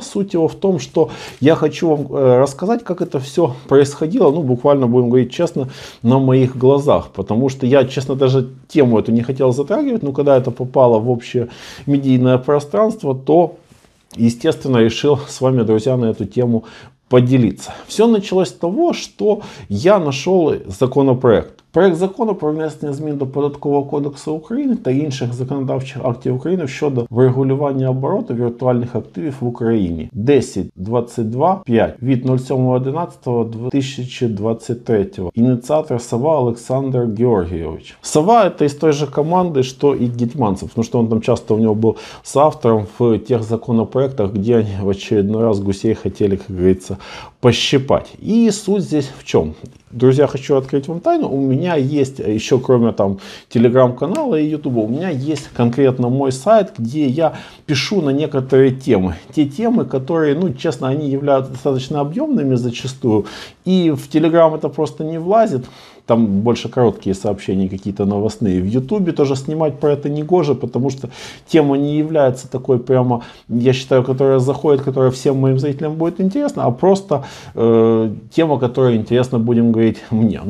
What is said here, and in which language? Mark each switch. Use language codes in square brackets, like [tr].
[ru] Суть его в том, что я хочу вам рассказать, как это все происходило, ну, буквально, будем говорить честно, на моих глазах. Потому что я, честно, даже тему эту не хотел затрагивать, но когда это попало в общее медийное пространство, то, естественно, решил с вами, друзья, на эту тему поделиться. Все началось с того, что я нашел законопроект. [uk] Проект закону про внесення змін до податкового кодексу України та інших законодавчих актів України щодо врегулювання обороту віртуальних активів в Україні. 10.22.5 від 07.11.2023. Ініціатор Сова Олександр Георгійович. Сова – це із той же команди, що і Гетьманцев, тому що він там часто в нього був соавтором в тих законопроектах, де вони в очередний раз гусей хотіли, як говориться, пощипать. І суть здесь в чому? [ru] Друзья, хочу открыть вам тайну. У меня есть еще, кроме там телеграм-канала и ютуба, у меня есть конкретно мой сайт, где я пишу на некоторые темы. Те темы, которые, ну, честно, они являются достаточно объемными зачастую. И в телеграм это просто не влазит. Там больше короткие сообщения какие-то новостные. В ютубе тоже снимать про это негоже, потому что тема не является такой прямо, я считаю, которая заходит, которая всем моим зрителям будет интересна, а просто тема, которая интересна, будем говорить, мне.